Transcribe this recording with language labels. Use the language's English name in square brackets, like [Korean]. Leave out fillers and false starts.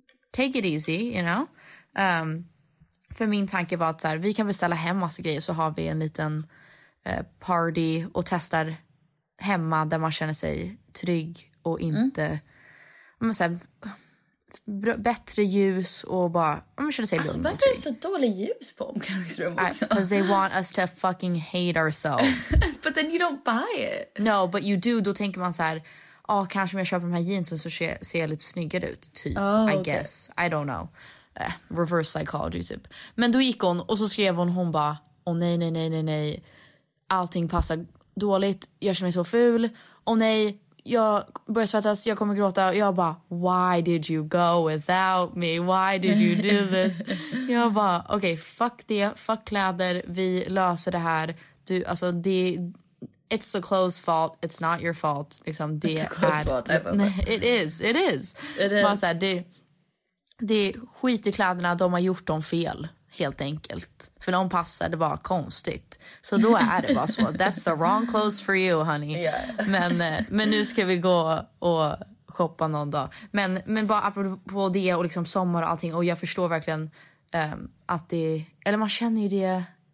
[English] Take it easy, you know? [Swedish] För min tanke var att så här, vi kan beställa hem massa grejer, så har vi en liten party och testar hemma där man känner sig trygg och inte så här, bättre ljus och bara om man känner sig lugn. Alltså, varför är det så dålig ljus på omklädningsrummet? [English] Because they want us to fucking hate ourselves. But then you don't buy it. No, but you do. [Swedish] Då tänker man så här, kanske om jag köper de här jeansen så ser jag lite snyggare ut, typ. [English] Oh, okay. I guess, I don't know. Reverse psychology typ. [Swedish] Men då gick hon och så skrev hon bara, nej, allting passar dåligt, jag känner mig så ful, nej, jag börjar svettas, jag kommer gråta. Och jag bara, [English] why did you go without me, why did you do this? [Swedish] Jag bara, okej, fuck det, fuck kläder, vi löser det här. Du, alltså det, [English] it's the clothes fault, it's not your fault [Swedish] liksom, det, [English] it's the clothes fault, I don't know. It is. [Swedish] Bara så här, det är skit i kläderna, de har gjort dem fel, helt enkelt. För någon passade bara konstigt. Så då är det bara så. [English] That's the wrong clothes for you, honey. Yeah. [Swedish] Men nu ska vi gå och shoppa någon dag. Men bara apropå det och liksom sommar och allting. Och jag förstår verkligen att det... Eller man känner ju det...